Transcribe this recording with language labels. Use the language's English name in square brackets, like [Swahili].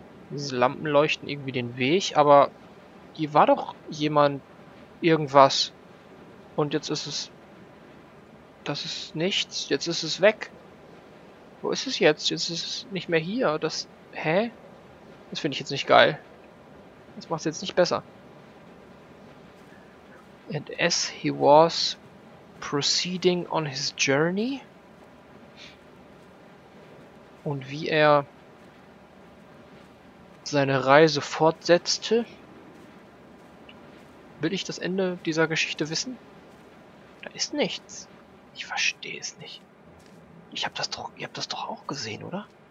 [German] Diese Lampen leuchten irgendwie den Weg, aber hier war doch jemand irgendwas. Und jetzt ist es... Das ist nichts. Jetzt ist es weg. Wo ist es jetzt? Jetzt ist es nicht mehr hier. Das... Hä? Das finde ich jetzt nicht geil. Das macht es jetzt nicht besser. [English] And as he was proceeding on his journey. [German] Und wie er seine Reise fortsetzte. Will ich das Ende dieser Geschichte wissen? Da ist nichts. Ich verstehe es nicht. Ihr habt das doch auch gesehen, oder?